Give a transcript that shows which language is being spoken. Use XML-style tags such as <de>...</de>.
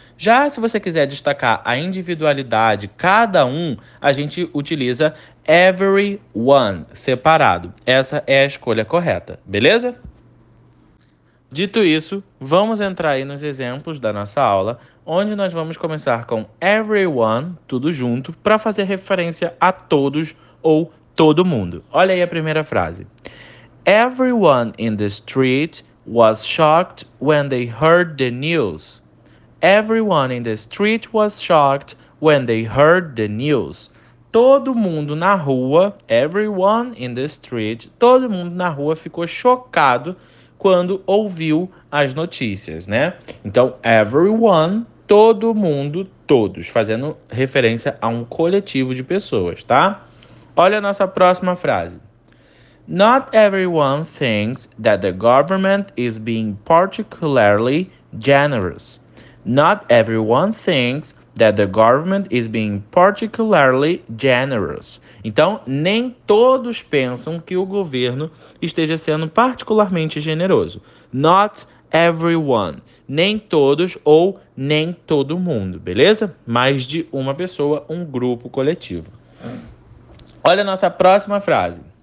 <pt>Já se você quiser destacar a individualidade, cada um, a gente utiliza everyone separado. Essa é a escolha correta, beleza? Dito isso, vamos entrar aí nos exemplos da nossa aula, onde nós vamos começar com everyone, tudo junto, para fazer referência a todos ou todo mundo. Olha aí a primeira frase.</pt> <en>Everyone in the street was shocked when they heard the news. Everyone in the street was shocked when they heard the news.</en> <pt>Todo mundo na rua,</pt> <en>everyone in the street,</en> <pt>todo mundo na rua ficou chocado quando ouviu as notícias, né? Então, everyone, todo mundo, todos, fazendo referência a um coletivo de pessoas, tá? Olha a nossa próxima frase.</pt> <en>Not everyone thinks that the government is being particularly generous. Not everyone thinks that the government is being particularly generous.</en> <pt>Então, nem todos pensam que o governo esteja sendo particularmente generoso.</pt> <en>Not everyone.</en> <pt>Nem todos ou nem todo mundo, beleza? Mais de uma pessoa, um grupo coletivo. Olha a nossa próxima frase.</pt>